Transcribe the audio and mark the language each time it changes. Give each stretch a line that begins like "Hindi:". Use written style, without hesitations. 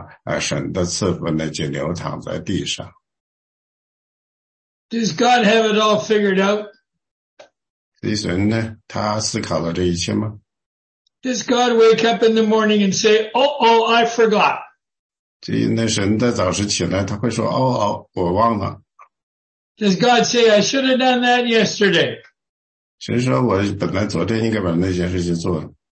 Chinese: 这个里面讲到的呢，就是多少天？360天。一共是75天，75天呢，实际上在我们前面讲的呢，1260天的这个时间呢，就是有那些大灾难的时期通过的时间。然后呢，就是在这里讲到的，又有1290天。这样不90天以后，再加上后面的45天呢，到你坚持到这个时候的时候，一切的结束了。那么，神的赐福呢，就流淌在地上。
English: Does God have it all figured out?
Chinese: 神呢，他思考了这一切吗？
English: Does God wake up in the morning and say, "Oh, I forgot"?
Chinese: 所以呢，神在早晨起来，他会说，哦，我忘了。
English: Does God say, "I should have done that yesterday"?
Chinese: 神说，我本来昨天应该把那件事情做了。